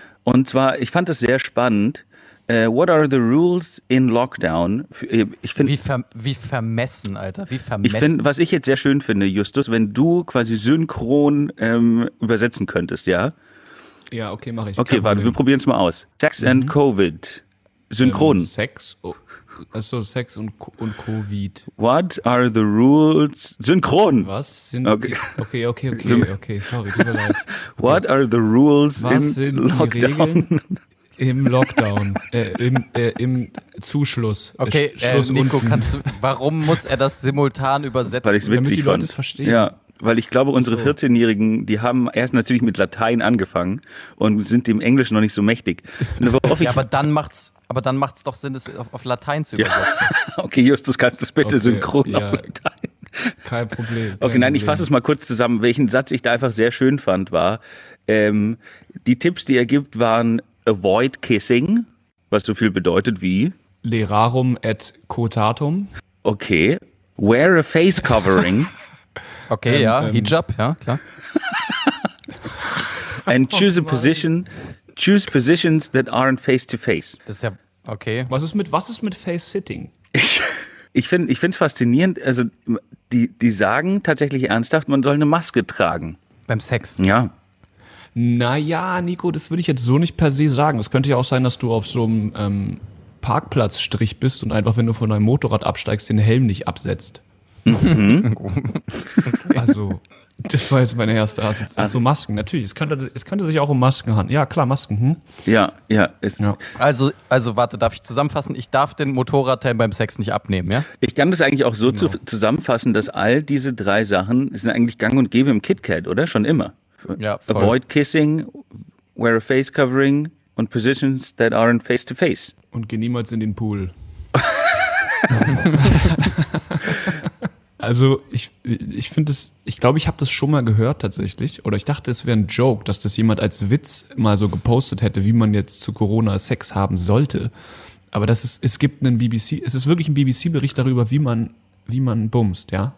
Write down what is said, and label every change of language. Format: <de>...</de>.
<de>Und zwar, ich fand das sehr spannend.</de> <en>What are the rules in lockdown?</en> <de>Wie vermessen, Alter. Ich finde, was ich jetzt sehr schön finde, Justus, wenn du quasi synchron übersetzen könntest, ja? Ja, okay, mache ich. Okay, warte, wir probieren es mal aus.</de> <en>Sex and Covid. Synchron.</en> <de>Sex. Oh. Achso, Sex und Covid.</de> <en>What are the rules? Synchron.</en> <de>Was? Okay. Sorry, tut mir leid.</de> <en>What are the rules in Lockdown?</en> <de>Was sind die Regeln im Lockdown? Im Zuschluss. Okay, Nico, warum muss er das simultan übersetzen? Weil ich es witzig fand. Damit die Leute es verstehen. Ja. Weil ich glaube, unsere 14-Jährigen, die haben erst natürlich mit Latein angefangen und sind dem Englischen noch nicht so mächtig. Aber dann macht's doch Sinn, das auf Latein zu übersetzen. Ja. Okay, Justus, kannst du das bitte synchron auf Latein? Kein Problem. Ich fasse es mal kurz zusammen. Welchen Satz ich da einfach sehr schön fand, war, die Tipps, die er gibt, waren</de> <en>avoid kissing,</en> <de>was so viel bedeutet wie? Lerarum et cotatum.</de> <en>Okay. Wear a face covering.</en> <de>Okay, Hijab, ja, klar.</de> <en>And choose a position, choose positions that aren't face-to-face.</en> <de>Das ist ja, okay. Was ist mit Face-Sitting? Ich finde es faszinierend, also die sagen tatsächlich ernsthaft, man soll eine Maske tragen. Beim Sex? Ja. Naja, Nico, das würde ich jetzt so nicht per se sagen. Es könnte ja auch sein, dass du auf so einem Parkplatzstrich bist und einfach, wenn du von deinem Motorrad absteigst, den Helm nicht absetzt. Okay. Also, das war jetzt meine erste Assoziation. Also Masken, natürlich. Es könnte sich auch um Masken handeln. Ja, klar, Masken. Ja. Also, warte, darf ich zusammenfassen? Ich darf den Motorradteil beim Sex nicht abnehmen, ja? Ich kann das eigentlich auch so zusammenfassen, dass all diese drei Sachen sind eigentlich gang und gäbe im KitKat, oder? Schon immer. Ja, voll.</de> <en>Avoid kissing, wear a face covering und positions that aren't face to face.</en> <de>Und geh niemals in den Pool. Also ich glaube, ich habe das schon mal gehört tatsächlich. Oder ich dachte, es wäre ein Joke, dass das jemand als Witz mal so gepostet hätte, wie man jetzt zu Corona Sex haben sollte. Aber es ist wirklich ein BBC-Bericht darüber, wie man bumst, ja.</de>